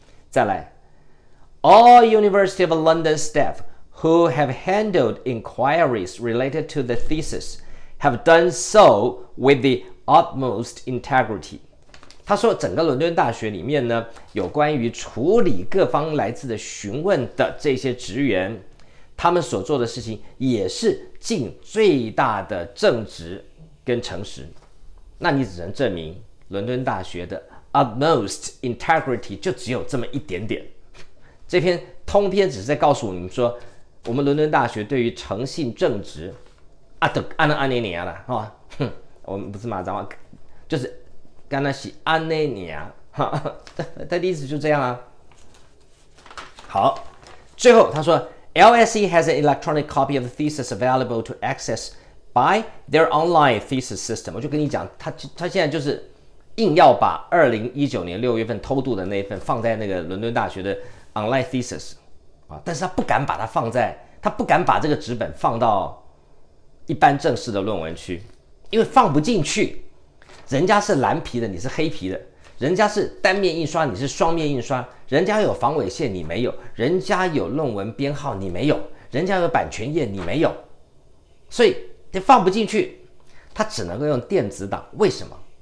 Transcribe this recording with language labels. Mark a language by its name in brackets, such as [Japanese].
[Chinese] 再来， [English] All University of London staff who have handled inquiries related to the thesis have done so with the utmost integrity。 [Chinese] 他说整个伦敦大学里面呢，有关于处理各方来自的询问的这些职员，他们所做的事情也是尽最大的正直跟诚实。那你只能证明伦敦大学的 [English] utmost integrity [Chinese] 就只有这么一点点。这篇通篇只是在告诉你们说，我们伦敦大学对于诚信正直啊，都安了安妮尼亚了，哼，我们不是马掌话，就是干那是安内你啊，他的意思就这样啊。好，最后他说 [English] LSE has an electronic copy of the thesis available to access by their online thesis system。 [Chinese] 我就跟你讲，他现在就是硬要把2019年6月份偷渡的那份放在那个伦敦大学的 online thesis，但是他不敢把它放在，他不敢把这个纸本放到一般正式的论文区，因为放不进去，人家是蓝皮的，你是黑皮的，人家是单面印刷，你是双面印刷，人家有防伪线，你没有，人家有论文编号，你没有，人家有版权页，你没有，所以放不进去，他只能够用电子档。为什么？